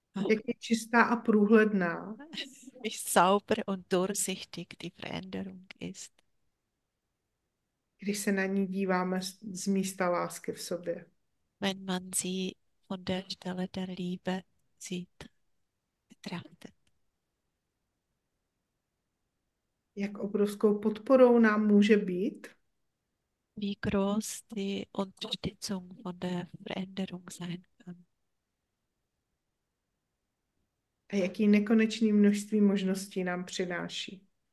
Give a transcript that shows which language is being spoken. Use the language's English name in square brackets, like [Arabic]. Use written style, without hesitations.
[Czech] Jak je čistá a průhledná? [German] Wie sauber und durchsichtig die Veränderung ist. [Czech] Když se na ní díváme z místa lásky v sobě. [German] Wenn man sie von der Stelle der Liebe sieht, betrachtet. [Czech] Jak obrovskou podporou nám může být? [German] Wie groß die Unterstützung von der Veränderung sein kann. [Czech] A jaký nekonečný množství možností nám přináší?